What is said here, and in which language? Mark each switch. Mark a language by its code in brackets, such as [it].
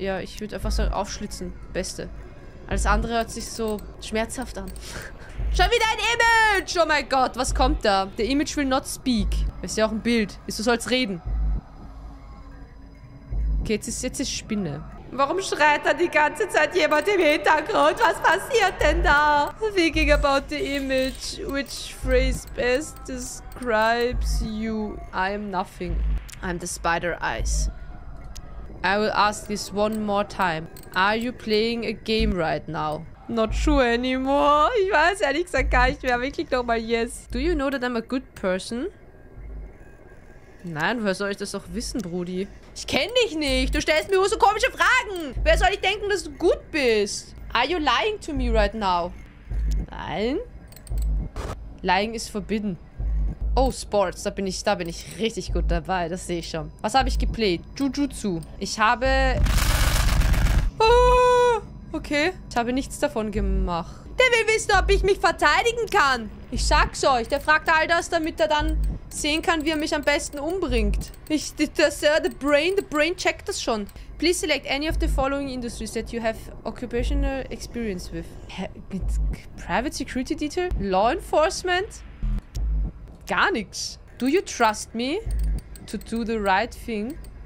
[de] Ja, ich würde einfach so aufschlitzen. Beste. Alles andere hört sich so schmerzhaft an. Schon wieder ein Image! Oh mein Gott, was kommt da? Der Image [en] will not speak. [de] Ist ja auch ein Bild. Du sollst reden. Okay, jetzt ist Spinne. Warum schreit da die ganze Zeit jemand im Hintergrund? Was passiert denn da? [en] Thinking about the image, which phrase best describes you? I am nothing. I'm the spider eyes. I will ask this one more time. Are you playing a game right now? Not sure anymore. [de] Ich weiß ehrlich gesagt gar nicht mehr. Wirklich nochmal yes. [en] Do you know that I'm a good person? [de] Nein, wer soll ich das doch wissen, Brudi? Ich kenne dich nicht. Du stellst mir so komische Fragen. Wer soll ich denken, dass du gut bist? [en] Are you lying to me right now? [de] Nein. Lying ist verboten. Oh, Sports, da bin ich richtig gut dabei, das sehe ich schon. Was habe ich geplayt? Jujutsu. Ich habe... Oh, okay, ich habe nichts davon gemacht. Der will wissen, ob ich mich verteidigen kann. Ich sag's euch, der fragt all das, damit er dann sehen kann, wie er mich am besten umbringt. [en] The brain [de] checkt das schon. [en] Please select any of the following industries that you have occupational experience with. Private Security Detail? Law Enforcement? [de] Gar nichts. [en] Do you trust me to do the right thing?